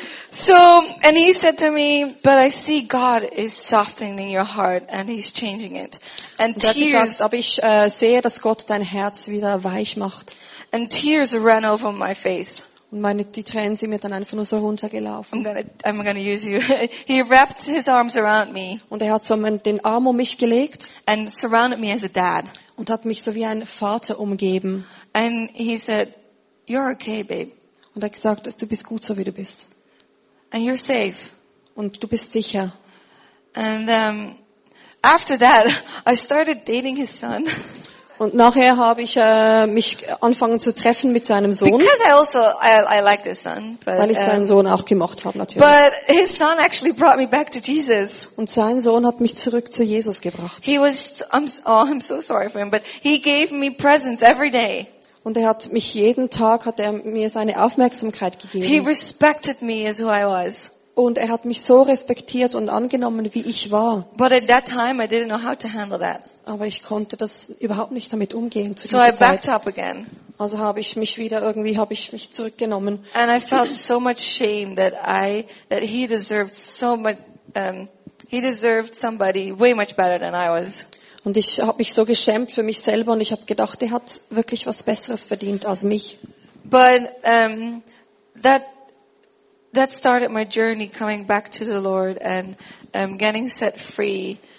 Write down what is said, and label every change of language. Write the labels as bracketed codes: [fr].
[en] So, and he said to me, but I see God is softening your heart and he's changing it. And tears, [de] aber ich sehe, dass Gott dein Herz wieder weich macht. [en] And tears ran over my face. [de] Und die Tränen sind mir dann einfach nur so runtergelaufen. [en] I'm gonna use you. He wrapped his arms around me. [de] Und er hat so den Arm um mich gelegt. [en] And surrounded me as a dad. [de] Und hat mich so wie ein Vater umgeben. [en] And he said, you're okay, babe. [de] Und er hat gesagt, du bist gut so wie du bist. [en] And you're safe. [de] Und du bist sicher. [en] And after that, I started dating his son. [de] Und nachher habe ich mich angefangen zu treffen mit seinem Sohn. [en] Because I liked his son. [de] But, weil ich seinen Sohn auch gemocht habe natürlich. [en] But his son actually brought me back to Jesus. [de] Und sein Sohn hat mich zurück zu Jesus gebracht. [en] He was I'm so sorry for him, but he gave me presents every day. [de] Und er hat mich jeden Tag, hat er mir seine Aufmerksamkeit gegeben. [en] He respected me as who I was. [de] Und er hat mich so respektiert und angenommen, wie ich war. [en] But at that time I didn't know how to handle that. [de] Aber ich konnte das überhaupt nicht damit umgehen zu dieser Zeit. [en] So I backed up again. [de] Also habe ich mich wieder irgendwie, habe ich mich zurückgenommen. [en] And I felt so much shame that he deserved so much, he deserved somebody way much better than I was. [de] Und ich habe mich so geschämt für mich selber und ich habe gedacht, er hat wirklich was Besseres verdient als mich. [en] But that started my journey coming back to the Lord and getting set free.